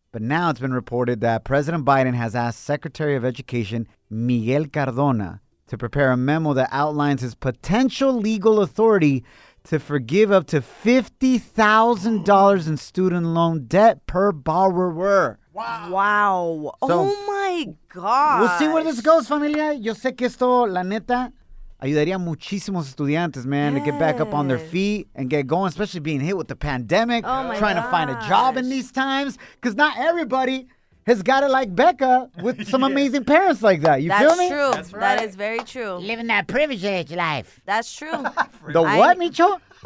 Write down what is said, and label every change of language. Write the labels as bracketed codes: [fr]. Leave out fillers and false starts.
[en] But now it's been reported that President Biden has asked Secretary of Education Miguel Cardona to prepare a memo that outlines his potential legal authority to forgive up to $50,000 in student loan debt per borrower. Wow. So, oh, my God. We'll see where this goes, familia. [es] Yo sé que esto, la neta, ayudaría muchísimos estudiantes, man, [en] yes. to get back up on their feet and get going, especially being hit with the pandemic, trying to find a job in these times. Because not everybody has got it like Becca with some yes. amazing parents like that. You feel me? That's true. Right. That is very true. Living that privileged life. That's true. The what, Micho?